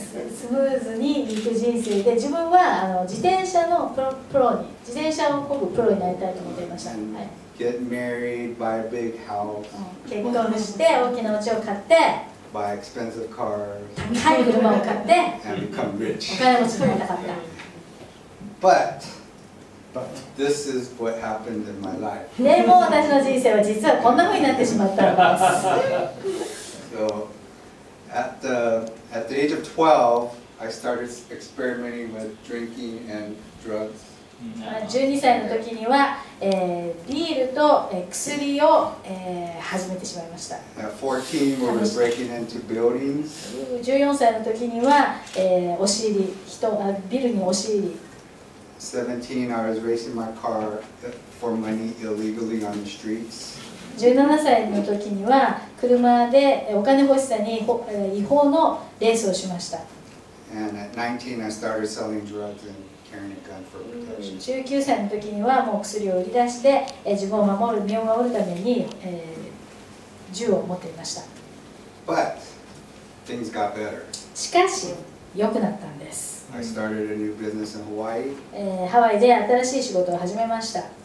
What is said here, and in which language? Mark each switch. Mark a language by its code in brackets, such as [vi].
[ja] スムーズに行く人生で、自分は自転車のプロに、自転車をこぐプロになりたいと思っていました。はい。 [en] Get married, buy a big house. [ja] 結婚して大きな家を買って、 [en] buy expensive cars. [ja] 高い車を買って、 [en] and become rich. [ja] お金持ちになりたかった。 [en] But this is what happened in my life. [ja] でも私の人生は実はこんな風になってしまったんです。 [en] So, at the age of 12, I started experimenting with drinking and drugs. [ja] 12歳の時には、ビールと薬を、始めてしまいました。 [en] At 14, we were breaking into buildings. [ja] 14歳の時には、押し入り、ビルに押し入り。 [en] 17, I was racing my car for money illegally on the streets. [ja] 17歳の時には車でお金欲しさに違法のレースをしました。 [en] And at 19, I started selling drugs and carrying a gun for protection. [ja] 19歳の時にはもう薬を売り出して自分を守る身を守るために銃を持っていました。 [en] But things got better. [ja] しかし良くなったんです。 [en] I started a new business in Hawaii. [ja] ハワイで新しい仕事を始めました。